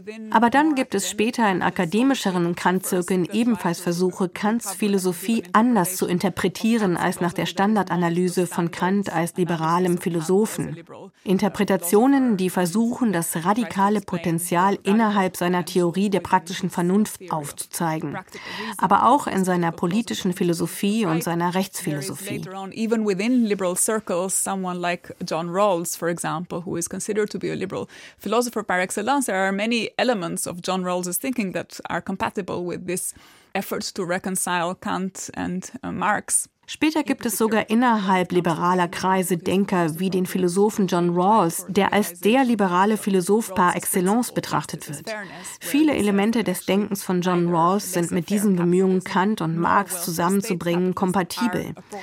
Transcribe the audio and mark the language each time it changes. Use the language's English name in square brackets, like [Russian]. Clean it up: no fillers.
[German] Aber dann gibt es später in akademischeren Kantzirkeln ebenfalls Versuche, Kants Philosophie anders zu interpretieren als nach der Standardanalyse von Kant als liberalem Philosophen. Interpretationen, die versuchen, das radikale Potenzial innerhalb seiner Theorie der praktischen Vernunft aufzuzeigen, aber auch in seiner politischen Philosophie und seiner Rechtsphilosophie. [English] Even within liberal circles, someone like John Rawls, for example, who is considered to be a liberal philosopher par excellence, there are many elements of John Rawls' thinking that are compatible with this effort to reconcile Kant and Marx. [German] Später gibt es sogar innerhalb liberaler Kreise Denker wie den Philosophen John Rawls, der als der liberale Philosoph par excellence betrachtet wird. Viele Elemente des Denkens von John Rawls sind mit diesen Bemühungen, Kant und Marx zusammenzubringen, kompatibel.